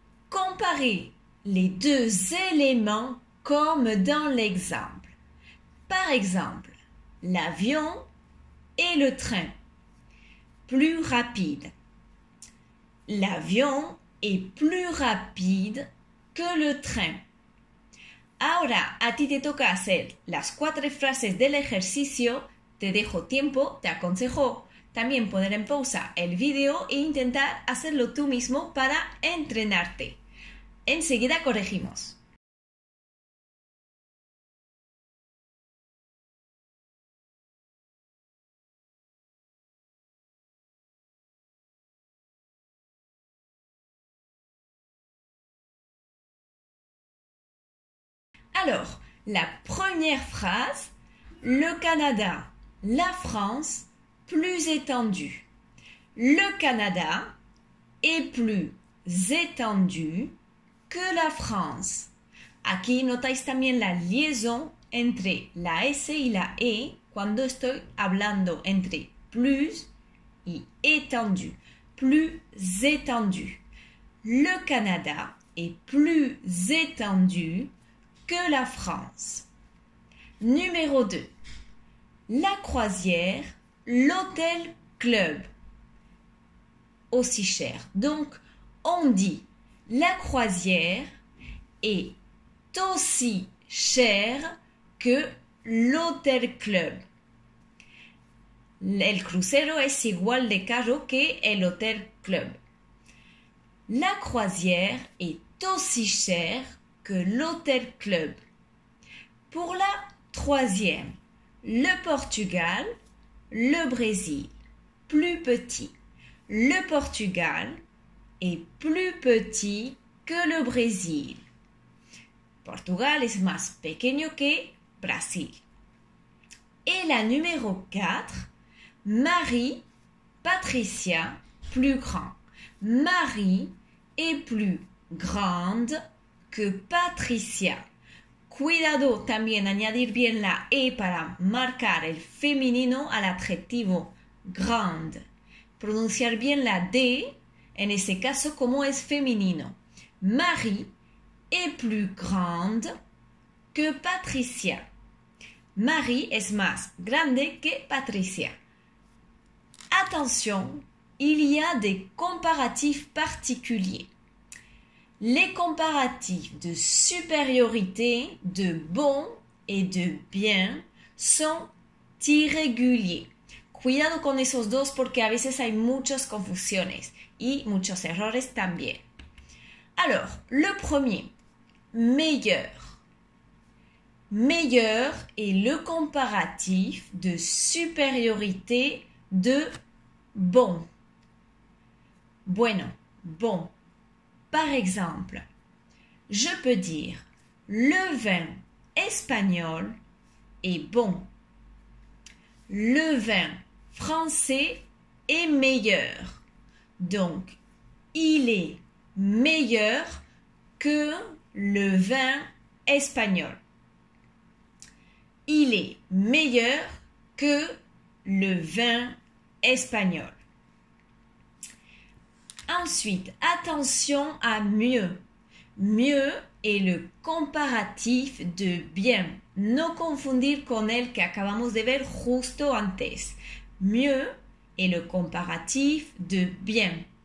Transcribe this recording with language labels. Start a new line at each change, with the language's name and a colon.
French: Comparez les deux éléments comme dans l'exemple. Par exemple, l'avion et le train. Plus rapide. L'avion est plus rapide que le train.
Spanish: Ahora, a ti te toca hacer las cuatro frases del ejercicio. Te dejo tiempo, te aconsejo también poner en pausa el video e intentar hacerlo tú mismo para entrenarte. Enseguida corregimos.
French: Alors, la première phrase, le Canada, la France, plus étendu. Le Canada est plus étendu que la France.
Spanish: Aquí notáis también la liaison entre la S y la E cuando estoy hablando entre plus y étendu.
French: Plus étendu. Le Canada est plus étendu que la France. Numéro 2. La croisière, l'hôtel club. Aussi cher. Donc, on dit la croisière est aussi chère que l'hôtel club.
Spanish: El crucero es igual de caro que el hôtel club.
French: La croisière est aussi chère que l'hôtel club. Pour la troisième, le Portugal, le Brésil, plus petit. Le Portugal est plus petit que le Brésil.
Spanish: Portugal es más pequeño que Brasil.
French: Et la numéro 4, Marie, Patricia, plus grand. Marie est plus grande que Patricia.
Spanish: Cuidado también añadir bien la E para marcar el femenino al adjetivo grande. Pronunciar bien la D, en ese caso, como es femenino.
French: Marie est plus grande que Patricia.
Spanish: Marie es más grande que Patricia.
French: Attention, il y a des comparatifs particuliers. Les comparatifs de supériorité, de bon et de bien sont irréguliers.
Spanish: Cuidado con esos dos porque a veces hay muchas confusiones y muchos errores también.
French: Alors, le premier, meilleur. Meilleur est le comparatif de supériorité de bon.
Spanish: Bueno,
French: bon. Par exemple, je peux dire le vin espagnol est bon. Le vin français est meilleur. Donc, il est meilleur que le vin espagnol. Il est meilleur que le vin espagnol. Ensuite, attention à mieux. Mieux est le comparatif de bien.
Spanish: No confundir con el que acabamos de ver justo antes.
French: Mieux est le comparatif de bien.